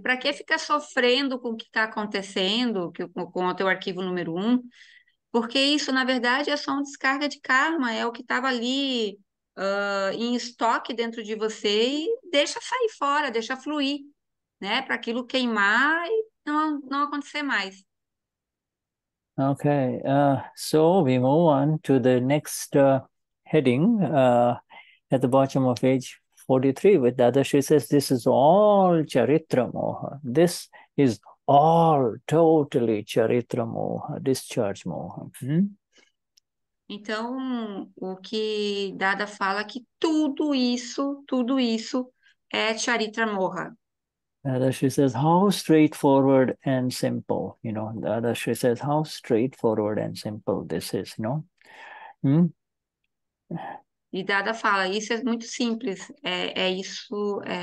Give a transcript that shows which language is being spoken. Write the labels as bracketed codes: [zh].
[pt] Para que ficar sofrendo com o que está acontecendo, com o teu arquivo número um? Porque isso, na verdade, é só uma descarga de karma, é o que estava ali em estoque dentro de você e deixa sair fora, deixa fluir, né? Para aquilo queimar e não acontecer mais. [en] Okay, so we move on to the next heading at the bottom of page 43 with Dada. She says, this is all charitra moha. This is all totally charitra moha, discharge moha. [pt] Então, o que Dada fala é que tudo isso é charitra moha. [en] Dada Shri says, how straightforward and simple, you know. Dada Shri says, how straightforward and simple this is, you know. [pt] E Dada fala, isso é muito simples, é isso.